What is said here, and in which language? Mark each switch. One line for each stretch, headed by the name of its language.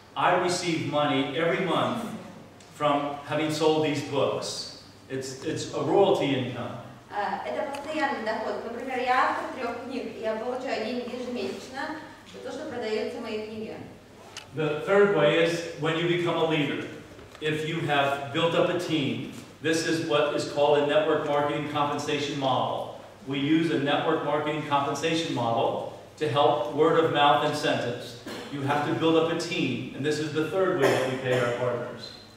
English: I receive money every month from having sold these books. It's a royalty income.
Russian: Это постоянный доход. Например, я автор трех книг, я получаю деньги ежемесячно за то, что продаются мои книги.
English: The third way is when you become a leader. If you have built up a team, this is what is called a network marketing compensation model. We use a network marketing compensation model to help word of mouth incentives. You have to build up a team, and this is the third way that we pay our partners.